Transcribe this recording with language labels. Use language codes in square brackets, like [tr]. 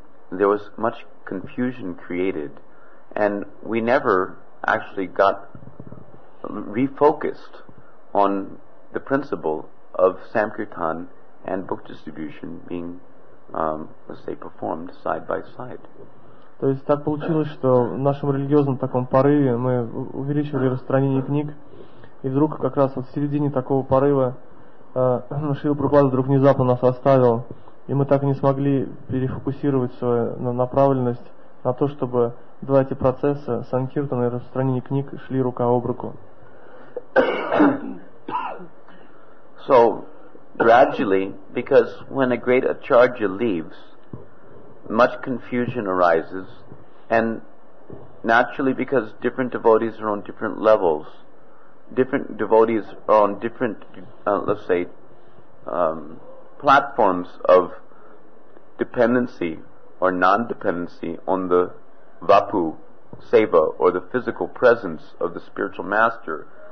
[en] there was much confusion created, and we never actually got refocused on the principle of Samkirtan and book distribution being, let's say, performed side by side. [ru] То есть так получилось, что в нашем религиозном таком порыве мы увеличивали распространение книг. И вдруг как раз вот в середине такого порыва Шрила Прабхупада вдруг внезапно нас оставил, и мы так и не смогли перефокусировать свою направленность на то, чтобы два эти процесса, санкиртана и распространение книг, шли рука об руку. [en] So gradually, because when a great acharya leaves, much confusion arises, and naturally because different devotees are on different levels, different devotees are on different, let's say, platforms of dependency or non-dependency on the vapu, seva, or the physical presence of the spiritual master.